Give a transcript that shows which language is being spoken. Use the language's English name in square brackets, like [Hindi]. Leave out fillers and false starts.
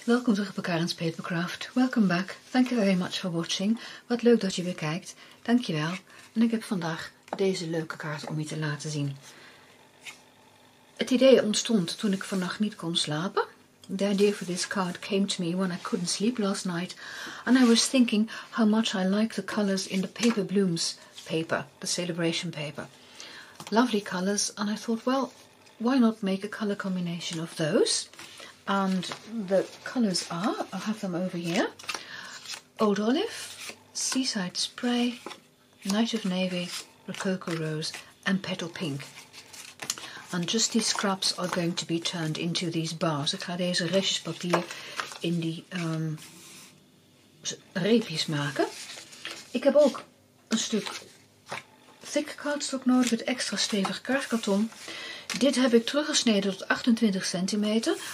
[Dutch] Welkom terug bij Karen's Papercraft. [English] Welcome back. Thank you very much for watching. [Dutch] Wat leuk dat je weer kijkt. Dankjewel. En ik heb vandaag deze leuke kaart om je te laten zien. Het idee ontstond toen ik vannacht niet kon slapen. [English] The idea for this card came to me when I couldn't sleep last night. And I was thinking how much I like the colors in the Paper Blooms paper, the celebration paper. Lovely colors. And I thought, well, why not make a color combination of those? And the colors are, I have them over here, Old Olive, Seaside Spray, Knight of Navy, Rococo Rose, and Petal Pink. And just these scraps are going to be turned into these bars. [Dutch] Ik ga deze restjes papier in die reepjes maken. Ik heb ook een stuk thick cardstock nodig, het extra stevig kaartkarton. Dit heb ik teruggesneden tot 28 centimeter.